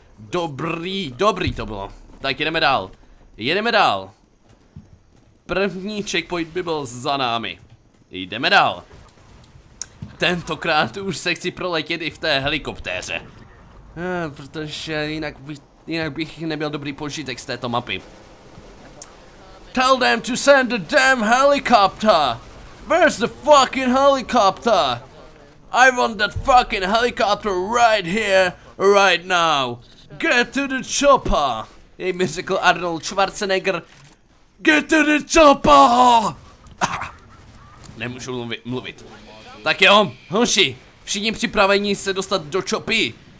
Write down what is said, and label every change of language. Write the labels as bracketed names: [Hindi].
[Czech] Dobrý to bylo. Tak jedeme dál. První checkpoint by byl za námi. Jdeme dál. Tentokrát už se chci proletět i v té helikoptéře. Protože jinak bych nebyl dobrý požitek z této mapy. [English] Tell them to send the damn helicopter! Where's the fucking helicopter? I want that fucking helicopter right here, right now! Get to the chopper! [Czech] Jej mi řekl Arnold Schwarzenegger. [English] Get to the chopper! [Czech] Nemůžu mluvit. Tak jo, hoši, všichni připravení se dostat do chopy.